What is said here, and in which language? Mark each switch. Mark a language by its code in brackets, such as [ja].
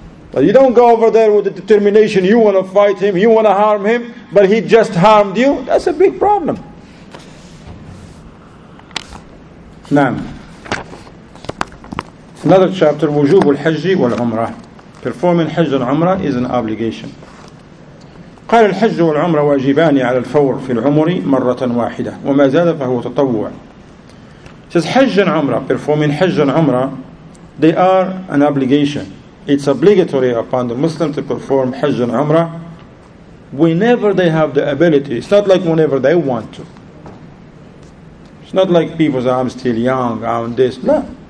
[en] But you don't go over there with the determination, you want to fight him, you want to harm him, but he just harmed you. That's a big problem. Naam. Another chapter, [ar] wujub al-hajj wal-umrah. [en] Performing hajj and umrah is an obligation. [ar] قال الحج والعمرة واجبان على الفور في العمر مرة واحدة وما زاد فهو تطوع. [en] Says حج عمرة, performing حج عمرة, they are an obligation. It's obligatory upon the Muslim to perform حج عمرة whenever they have the ability. It's not like whenever they want to. It's not like people say, I'm still young, I'm this. No.